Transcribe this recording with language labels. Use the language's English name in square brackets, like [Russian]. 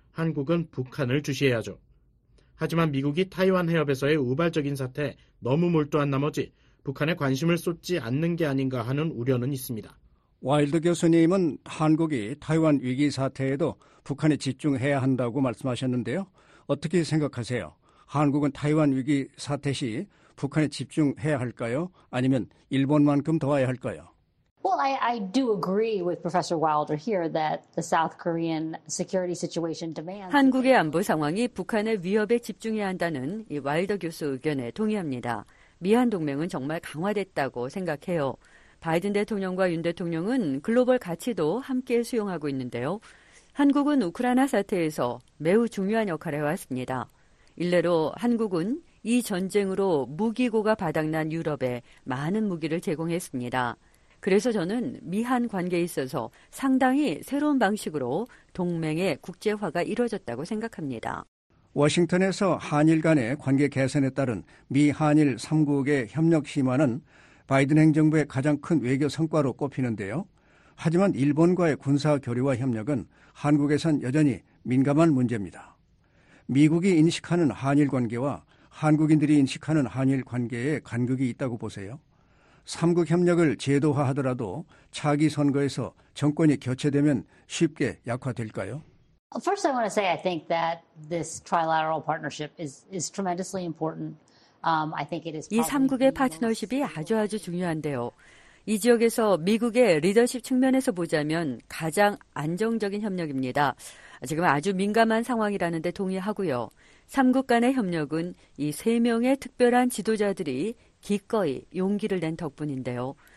[Korean] 한국은 북한을 주시해야죠. 하지만 미국이 타이완 해협에서의 우발적인 사태에 너무 몰두한 나머지 북한에 관심을 쏟지 않는 게 아닌가 하는 우려는 있습니다. 와일드 교수님은 한국이 타이완 위기 사태에도 북한에 집중해야 한다고 말씀하셨는데요. 어떻게 생각하세요? 한국은 타이완 위기 사태 시 북한에 집중해야 할까요? 아니면 일본만큼 더 와야 할까요? [English] Well, I do agree with Professor Wilder here that the South Korean security situation demands. [Korean] 한국의 안보 상황이 북한의 위협에 집중해야 한다는 이 와일더 교수 의견에 동의합니다. 미한 동맹은 정말 강화됐다고 생각해요. 바이든 대통령과 윤 대통령은 글로벌 가치도 함께 수용하고 있는데요. 한국은 우크라이나 사태에서 매우 중요한 역할을 해왔습니다. 일례로 한국은 이 전쟁으로 무기고가 바닥난 유럽에 많은 무기를 제공했습니다. 그래서 저는 미한 관계에 있어서 상당히 새로운 방식으로 동맹의 국제화가 이루어졌다고 생각합니다. 워싱턴에서 한일 간의 관계 개선에 따른 미한일 3국의 협력 심화는 바이든 행정부의 가장 큰 외교 성과로 꼽히는데요. 하지만 일본과의 군사 교류와 협력은 한국에선 여전히 민감한 문제입니다. 미국이 인식하는 한일 관계와 한국인들이 인식하는 한일 관계에 간극이 있다고 보세요. 3국 협력을 제도화하더라도 차기 선거에서 정권이 교체되면 쉽게 약화될까요? [English] First, I want to say I think that this trilateral partnership is tremendously important. I think it is. [Korean] 이 3국의 파트너십이 아주 중요한데요. 이 지역에서 미국의 리더십 측면에서 보자면 가장 안정적인 협력입니다. 지금 아주 민감한 상황이라는 데 동의하고요. 3국 간의 협력은 이 3명의 특별한 지도자들이 기꺼이 용기를 낸 덕분인데요.